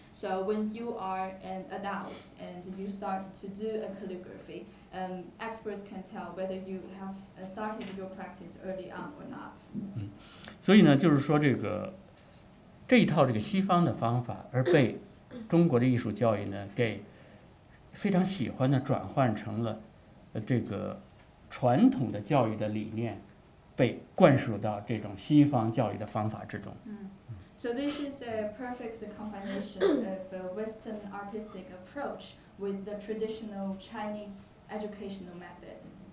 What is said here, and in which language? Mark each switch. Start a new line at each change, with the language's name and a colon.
English: So when you are an adult and you start to do a calligraphy, experts can tell whether you have started your practice early on or not.
Chinese: 所以呢，就是说这一套这个西方的方法而被中国的艺术教育呢给非常喜欢的转换成了这个传统的教育的理念被灌输到这种西方教育的方法之中。
English: So this is a perfect combination of a Western artistic approach with the traditional Chinese educational method.